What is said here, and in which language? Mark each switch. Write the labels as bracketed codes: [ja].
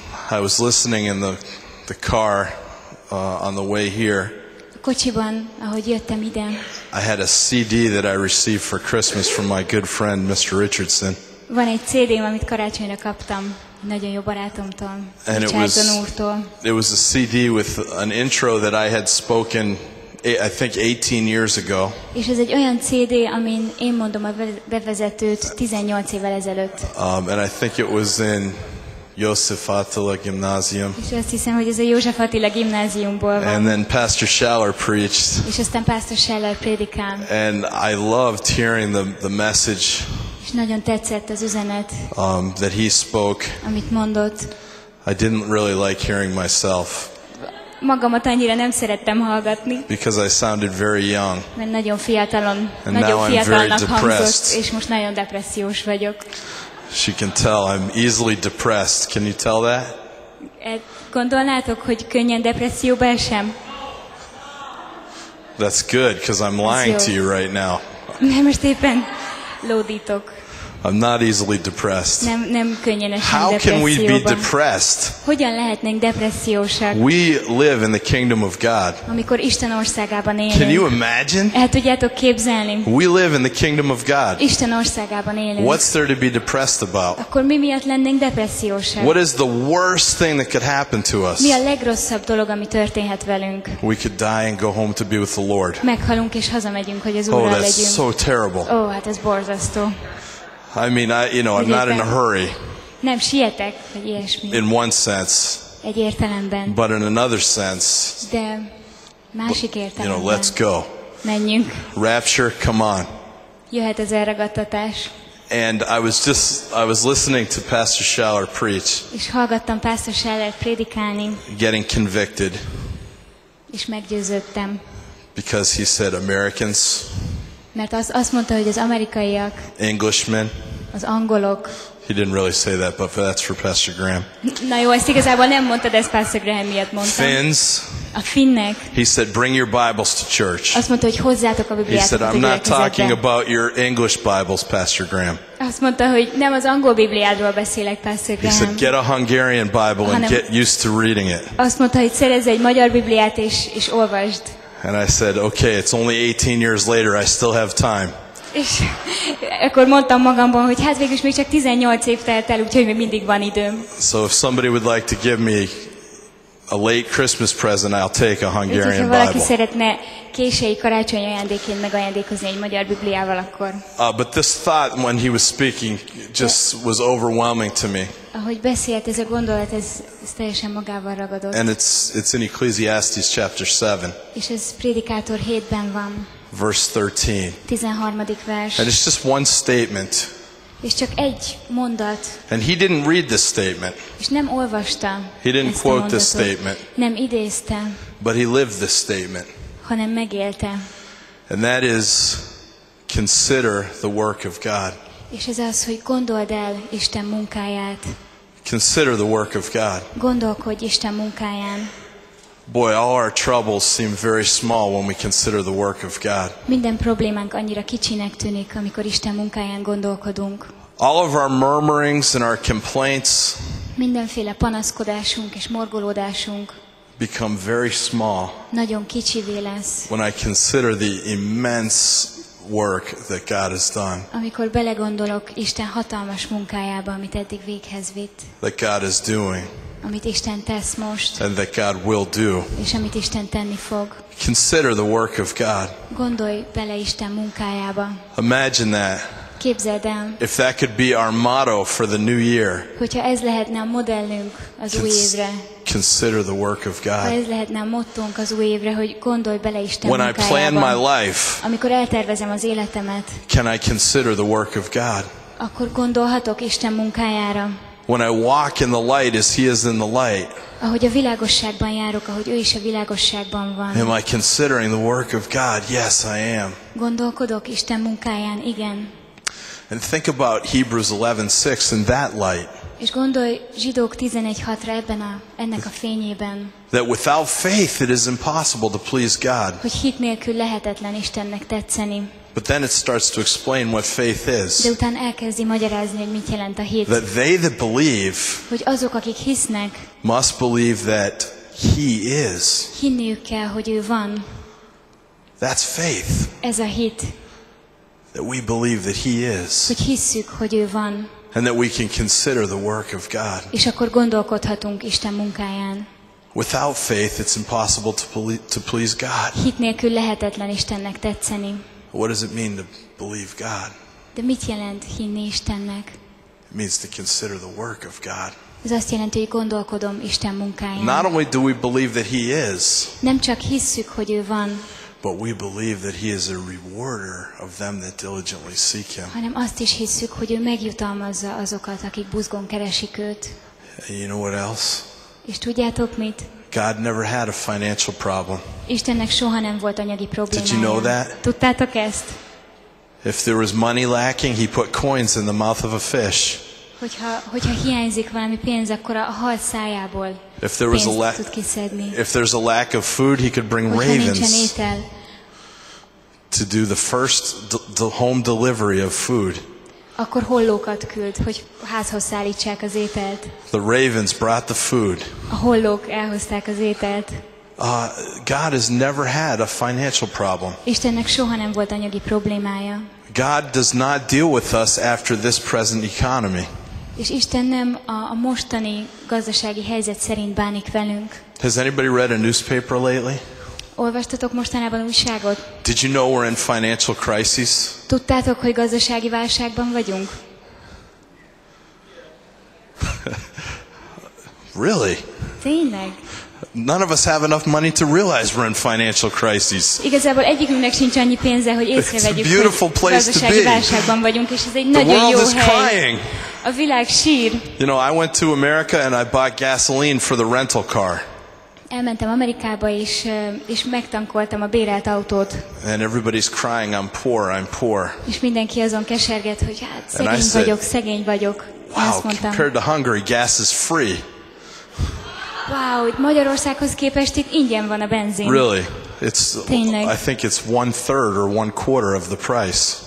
[en] I was listening in the car on the way here. [hu] A kocsiban, ahogy jöttem ide. [en] I had a CD that I received for Christmas from my good friend Mr. Richardson. [hu] Van egy CD-m, amit karácsonyra kaptam. Nagyon jó barátomtól. [en] And it was a CD with an intro that I had spoken, I think 18 years ago. [hu] És ez egy olyan CD, amin én mondom a bevezetőt 18 évvel ezelőtt. [en] And I think it was in József Attila Gymnasium. [hu] És azt hiszem, hogy ez a József Attila Gymnáziumból van. [en] And then Pastor Schaller preached. [hu] És aztán Pastor Schaller prédikált. [en] And I loved hearing the message. [hu] És nagyon tetszett az üzenet. [en] That he spoke. [hu] Amit mondott. [en] I didn't really like hearing myself. [hu] Magamat annyira nem szerettem hallgatni. [en] Because I sounded very young. [hu] Mert nagyon fiatalon, [en] and [hu] nagyon [en] now [hu] fiatalnak [en] I'm very [hu] hangzott, [en] depressed. [hu] És most nagyon depressziós vagyok. [en] She can tell I'm easily depressed. Can you tell that? [hu] Gondolnátok, hogy könnyen depresszióba esem? [en] That's good, because I'm lying to you right now. [hu] Nem, most éppen lódítok. [en] I'm not easily depressed. [hu] Nem könnyen esem depresszióban. [en] How can we be depressed? [hu] Hogyan lehetnénk depressziósak? [en] We live in the kingdom of God. [hu] Amikor Isten országában élünk. [en] Can you imagine? [hu] El tudjátok képzelni? [en] We live in the kingdom of God. [hu] Isten országában élünk. [en] What's there to be depressed about? [hu] Akkor mi miatt lennénk depressziósak? [en] What is the worst thing that could happen to us? [hu] Mi a legrosszabb dolog, ami történhet velünk? [en] We could die and go home to be with the Lord. [hu] Meghalunk és hazamegyünk, hogy az Úrral legyünk. [en] Oh, that's so terrible. [hu] Oh, hát ez borzasztó. [en] I mean, I'm not in a hurry. [hu] Nem sietek, vagy ilyesmi. [en] In one sense. [hu] Egy értelemben. [en] But in another sense. [hu] De másik értelemben. [en] You know, let's go. [hu] Menjünk. [en] Rapture, come on. [hu] Jöhet az elragadtatás. [en] And I was listening to Pastor Schaller preach. [hu] És hallgattam Pastor Schaller prédikálni. [en] Getting convicted. [hu] És meggyőződtem. [en] Because he said Americans. [hu] Mert azt mondta, hogy az amerikaiak, [en] Englishmen, [hu] az angolok. [en] He didn't really say that, but that's for Pastor Graham. [hu] Na jó, ezt igazából nem mondta, de ezt Pastor Graham miatt mondta. [en] Finns. [hu] A finnek. [en] He said, bring your Bibles to church. [hu] Azt mondta, hogy hozzátok a Bibliát. [en] He said, I'm not talking about your English Bibles, Pastor Graham. [hu] Azt mondta, hogy nem az angol Bibliádról beszélek, Pastor Graham. [en] He said, get a Hungarian Bible and get used to reading it. [hu] Azt mondta, hogy szerezz egy magyar Bibliát és olvasd. [en] And I said, okay, it's only 18 years later, I still have time. [hu] És akkor mondtam magamban, hogy hát végülis még csak 18 év telt el, úgyhogy még mindig van időm. [en] So if somebody would like to give me a late Christmas present, I'll take a Hungarian Bible. [hu] Ha valaki szeretne késői karácsonyi ajándékként megajándékozni egy magyar Bibliával, akkor. [en] But this thought when he was speaking just was overwhelming to me. [hu] Ahogy beszélt, ez a gondolat, ez teljesen magával ragadott. [en] And it's in Ecclesiastes chapter 7. [hu] És ez Prédikátor 7-ben van. [en] Verse 13. [hu] 13. vers. [en] And it's just one statement. [hu] És csak egy mondat. [en] And he didn't read this statement. [hu] És nem olvasta. [en] He didn't quote this statement. [hu] Nem idézte. [en] But he lived this statement. [hu] Hanem megélte. [en] And that is, consider the work of God. [hu] És ez az, hogy gondold el Isten munkáját. [en] Consider the work of God. [hu] Gondolkodj Isten munkáján. [en] Boy, all our troubles seem very small when we consider the work of God. [hu] Minden problémánk annyira kicsinek tűnik, amikor Isten munkáján gondolkodunk. [en] All of our murmurings and our complaints. [hu] Mindenféle panaszkodásunk és morgolódásunk. [en] Become very small. [hu] Nagyon kicsivé lesz. [en] When I consider the immense work that God has done. [hu] Amikor belegondolok Isten hatalmas munkájába, amit eddig véghez vitt. [en] That God is doing. [hu] Amit Isten tesz most, [en] and that God will do. [hu] És amit Isten tenni fog. [en] Consider the work of God. [hu] Gondolj bele Isten munkájába. [en] Imagine that. [hu] Képzeld el. [en] If that could be our motto for the new year. [hu] Hogyha ez lehetne a modellünk az új évre. [en] Consider the work of God. [hu] Ha ez lehetne a mottónk az új évre, hogy gondolj bele Isten munkájába. [en] When I plan my life. [hu] Amikor eltervezem az életemet. [en] Can I consider the work of God? [hu] Akkor gondolhatok Isten munkájára. [en] When I walk in the light as he is in the light. [hu] Ahogy a világosságban járok, ahogy ő is a világosságban van. [en] Am I considering the work of God? Yes, I am. [hu] Gondolkodok Isten munkáján, igen. [en] And think about Hebrews 11:6 in that light. [hu] És gondolj Zsidók 11:6-ra ebben a ennek a fényében. [en] That without faith it is impossible to please God. [hu] Hogy hit nélkül lehetetlen Istennek tetszeni. [en] But then it starts to explain what faith is. [hu] De utána elkezdi magyarázni, hogy mit jelent a hit. [en] That they that believe, [hu] hogy azok, akik hisznek, [en] must believe that he is. [hu] Hinniük kell, hogy ő van. [en] That's faith. [hu] Ez a hit. [en] That we believe that he is. [hu] Hogy hisszük, hogy ő van. [en] And that we can consider the work of God. [hu] És akkor gondolkodhatunk Isten munkáján. [en] Without faith, it's impossible to please God. [hu] Hit nélkül lehetetlen Istennek tetszeni. [en] What does it mean to believe God? [hu] De mit jelent hinni Istennek? [en] It means to consider the work of God. [hu] Ez azt jelenti, hogy gondolkodom Isten munkáján. [en] Not only do we believe that he is. [hu] Nem csak hisszük, hogy ő van. [en] But we believe that he is a rewarder of them that diligently seek him. [hu] Hanem azt is hisszük, hogy ő megjutalmazza azokat, akik buzgón keresik őt. [en] You know what else? [hu] És tudjátok mit? [en] God never had a financial problem. [hu] Istennek soha nem volt anyagi problémája. [en] Did you know that? [hu] Tudtátok ezt? [en] If there was money lacking, he put coins in the mouth of a fish. [hu] Hogyha hiányzik valami pénz, akkor a hal szájából pénzt tud kiszedni. [en] If there was a lack of food, he could bring ravens. [hu] Hogyha nincsen étel. [en] To do the first home delivery of food. [hu] Akkor hollókat küld, hogy házhoz szállítsák az ételt. [en] The ravens brought the food. [hu] A hollók elhozták az ételt. [en] God has never had a financial problem. [hu] Istennek soha nem volt anyagi problémája. [en] God does not deal with us after this present economy. [hu] És Isten nem a mostani gazdasági helyzet szerint bánik velünk. [en] Has anybody read a newspaper lately? [hu] Olvastatok mostanában újságot? [en] Did you know we're in financial crisis? [hu] Tudtátok, hogy gazdasági válságban vagyunk? [en] Really? [hu] Tényleg? [en] None of us have enough money to realize we're in financial crisis. [hu] Igazából egyikünknek sincs annyi pénze, hogy észrevegyük, hogy gazdasági válságban vagyunk, és ez egy nagyon jó hely. [en] The world is crying. [hu] A világ sír. [en] You know, I went to America and I bought gasoline for the rental car. [hu] Elmentem Amerikába és megtankoltam a bérelt autót. [en] And everybody's crying, I'm poor, I'm poor. [hu] És mindenki azon keserget, hogy hát szegény vagyok. [en] Wow, compared to Hungary, gas is free. [hu] Wow, itt Magyarországhoz képest itt ingyen van a benzin. [en] Really? [hu] Tényleg. [en] I think it's one third or one quarter of the price.